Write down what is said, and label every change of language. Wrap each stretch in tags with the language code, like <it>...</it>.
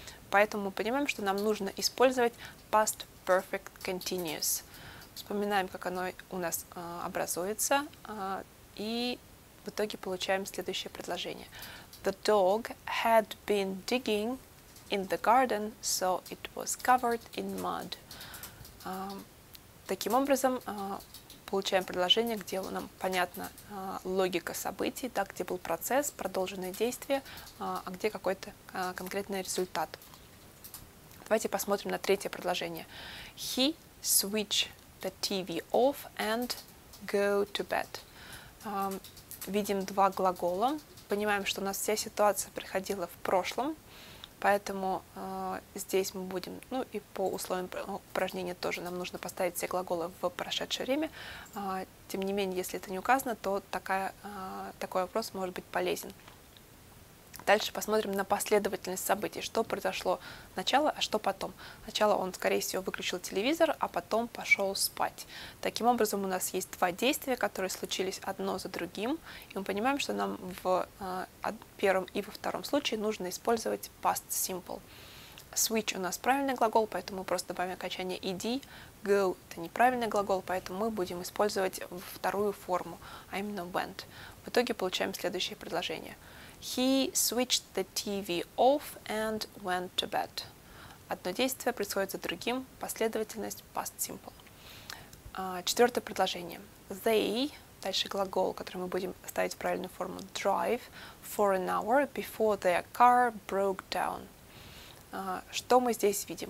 <ru>Поэтому мы понимаем, что нам нужно использовать past perfect continuous. Вспоминаем, как оно у нас образуется, и в итоге получаем следующее предложение.</ru> <en>The dog had been digging in the garden, so it was covered in mud.</en> <ru>Таким образом, получаем предложение, где нам понятна логика событий, да, где был процесс, продолженное действие, а где какой-то конкретный результат. Давайте посмотрим на третье предложение.</ru> <en>He switched the TV off and go to bed.</en> <ru>Видим два глагола. Понимаем, что у нас вся ситуация приходила в прошлом. Поэтому здесь мы будем, ну и по условиям упражнения тоже нам нужно поставить все глаголы в прошедшее время. Тем не менее, если это не указано, то такой вопрос может быть полезен. Дальше посмотрим на последовательность событий. Что произошло сначала, а что потом? Сначала он, скорее всего, выключил телевизор, а потом пошел спать. Таким образом, у нас есть два действия, которые случились одно за другим. И мы понимаем, что нам в первом и во втором случае нужно использовать past simple. Switch у нас правильный глагол, поэтому мы просто добавим окончание ed. Go – это неправильный глагол, поэтому мы будем использовать вторую форму, а именно went. В итоге получаем следующее предложение.</ru> <en>He switched the TV off and went to bed.</en> <ru>Одно действие происходит за другим. Последовательность past simple. Четвертое предложение.</ru> <en>They,</en> <ru>дальше глагол, который мы будем ставить в правильную форму,</ru> <en>drive for an hour before their car broke down.</en> <ru>Что мы здесь видим?</ru>